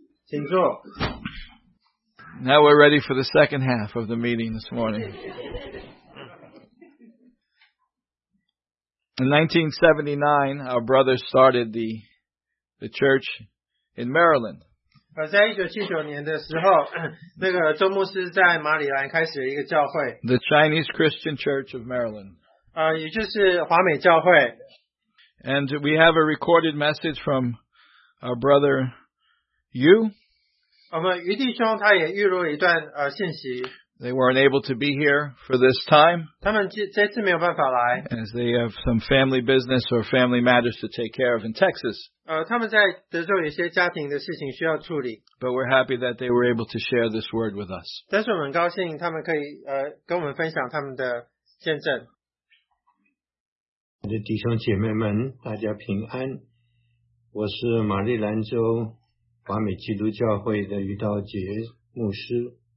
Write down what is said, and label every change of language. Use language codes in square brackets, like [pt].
[zh] 请坐. [en] Now we're ready for the second half of the meeting this morning. In 1979, our brother started the church in Maryland. [zh] 在1979年的时候，那个周牧师在马里兰开始了一个教会。 [en] The Chinese Christian Church of Maryland. [zh] 也就是华美教会。 [en] And we have a recorded message from our brother Yu. [zh] 我们余弟兄他也预录了一段信息。 [en] They weren't able to be here for this time. [zh] 他们这次没有办法来。 [en] As they have some family business or family matters to take care of in Texas. [zh] 他们在德州有一些家庭的事情需要处理。 [en] But we're happy that they were able to share this word with us. [zh] 但是我们很高兴他们可以跟我们分享他们的见证。我的弟兄姐妹们，大家平安。我是马里兰州华美基督教会的余道杰牧师。